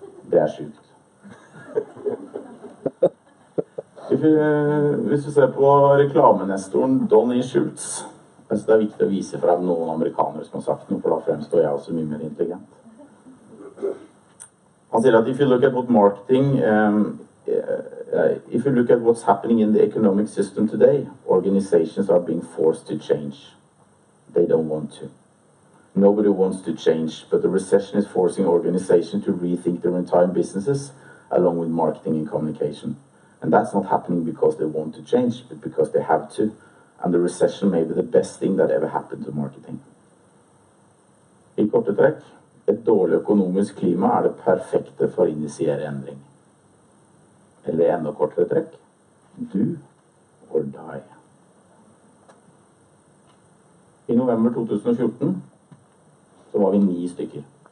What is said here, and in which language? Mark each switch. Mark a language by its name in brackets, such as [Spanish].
[Norwegian] Det er sjukt. Hvis vi ser på reklamenestoren Donny Schultz, altså det er viktig å vise frem noen amerikanere som har sagt noe, for da fremstår jeg også mye mer intelligent. Han sier at [English] if you look at what marketing, if you look at what's happening in the economic system today, organizations are being forced to change. They don't want to. Nobody wants to change, but the recession is forcing organizations to rethink their entire businesses along with marketing and communication. And that's not happening because they want to change, but because they have to. And the recession may be the best thing that ever happened to marketing. [Norwegian] I korte trekk, et dårlig økonomisk klima er det perfekte for å initiere endring. Eller enda kortere trekk, [English] do or die. [Norwegian] I november 2014, så var vi 9 stykker.